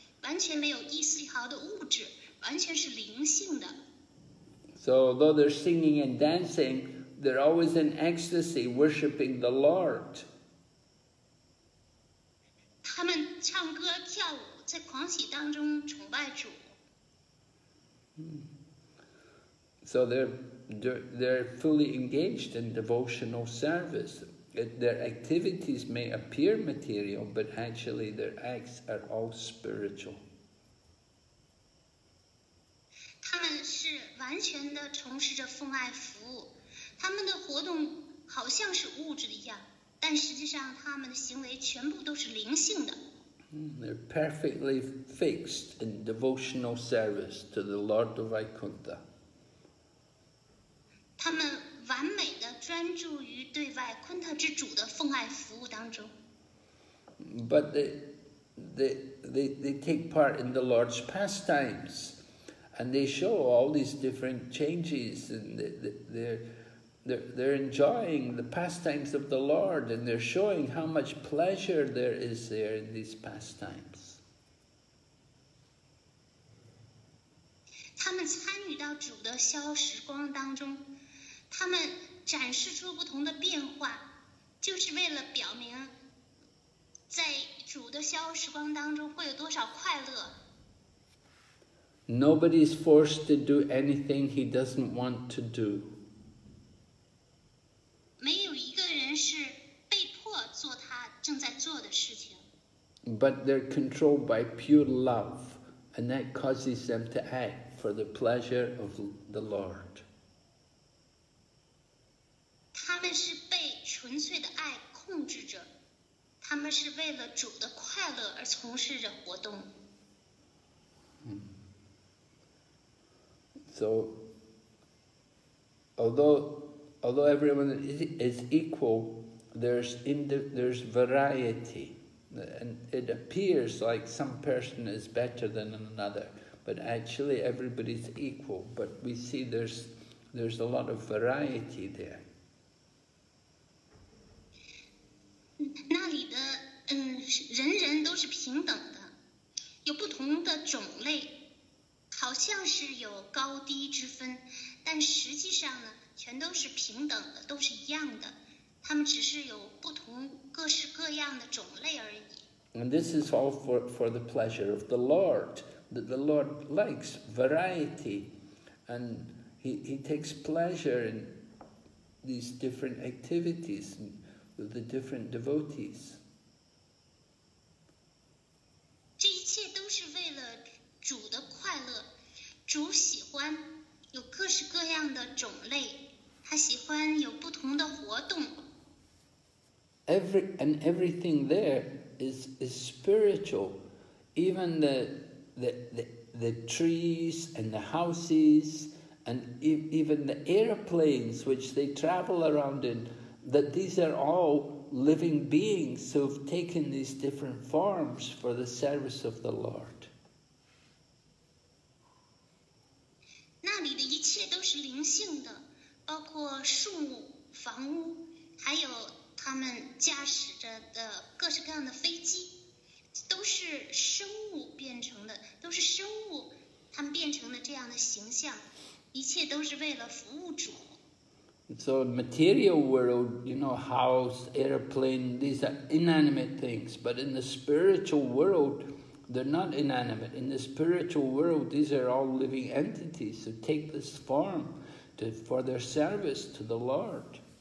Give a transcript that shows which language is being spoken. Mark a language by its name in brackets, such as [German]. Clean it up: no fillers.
[Chinese] 完全没有一丝一毫的物质，完全是灵性的。 [English] So although they're singing and dancing, they're always in ecstasy worshiping the Lord. [Chinese] 他们唱歌跳舞，在狂喜当中崇拜主。 [English] So they're fully engaged in devotional service. Their activities may appear material, but actually their acts are all spiritual. [Chinese] 他们是完全的从事着奉爱服务，他们的活动好像是物质的一样，但实际上他们的行为全部都是灵性的。 [English] They're perfectly fixed in devotional service to the Lord of Vaikuntha. [Chinese] 他们完美的专注于对外昆特之主的奉爱服务当中。 [English] But they take part in the Lord's pastimes, and they show all these different changes, and they're enjoying the pastimes of the Lord, and they're showing how much pleasure there is there in these pastimes. [Chinese] 他们参与到主的消时光当中，他们展示出不同的变化，就是为了表明在主的消时光当中会有多少快乐。 [English] Nobody is forced to do anything he doesn't want to do. [Chinese] 没有一个人是被迫做他正在做的事情。 [English] But they're controlled by pure love, and that causes them to act for the pleasure of the Lord. [Chinese] 他们是被纯粹的爱控制着，他们是为了主的快乐而从事着活动。 [English] So, although everyone is equal, there's variety, and it appears like some person is better than another, but actually everybody's equal, but we see there's a lot of variety there. [Chinese] 那里的人人都是平等的，有不同的种类。好像是有高低之分，但实际上呢，全都是平等的，都是一样的。他们只是有不同各式各样的种类而已。 [English] And this is all for the pleasure of the Lord, that the Lord likes variety, and he takes pleasure in these different activities with the different devotees. [Chinese] 这一切都是为了主的。主喜欢有各式各样的种类，他喜欢有不同的活动。 [English] Everything there is spiritual, even the trees and the houses and even the airplanes which they travel around in, that these are all living beings who have taken these different forms for the service of the Lord. [Chinese] 那里的一切都是灵性的，包括树木、房屋，还有他们驾驶着的各式各样的飞机，都是生物变成的，都是生物他们变成的这样的形象，一切都是为了服务主。 [English] So material world, you know, house, airplane, these are inanimate things, but in the spiritual world,They're not inanimate. In the spiritual world, these are all living entities who take this form for their service to the Lord.